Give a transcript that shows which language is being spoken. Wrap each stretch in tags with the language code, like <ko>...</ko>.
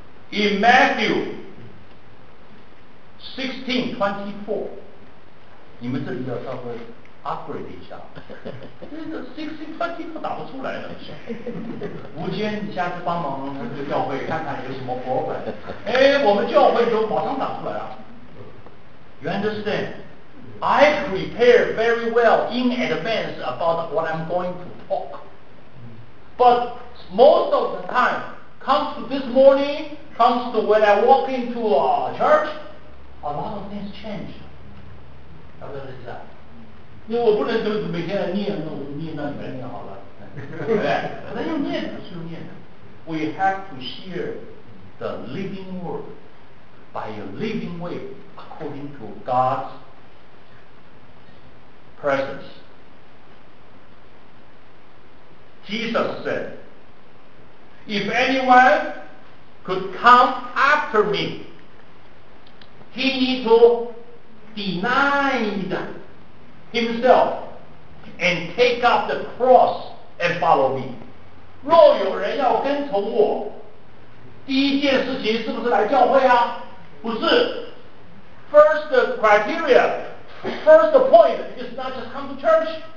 <en>In Matthew</en> <zh>16:24， 你们这里要稍微 upgrade 一下，16:24 打不出来了。吴坚，你下次帮忙这个教会看看有什么活本。哎，我们教会就马上打出来啊。</zh> <en>You understand? I prepare very well in advance about what I'm going to talk, but most of the time comes to this morning. Comes to when I walk into a church, a lot of things change.</en> <zh>差不多是这样。因为我不能就是每天念，那我就念到你们念好了，对不对？那用念的，是用念的。</zh> <en>We have to share the living word by a living way according to God's presence. Jesus said, "If anyone." Could come after me, he needs to deny himself and take up the cross and follow me.</en> <zh>若有人要跟从我，第一件事情是不是来教会啊？不是。</zh> <en>First criteria, first point is not just come to church.</en>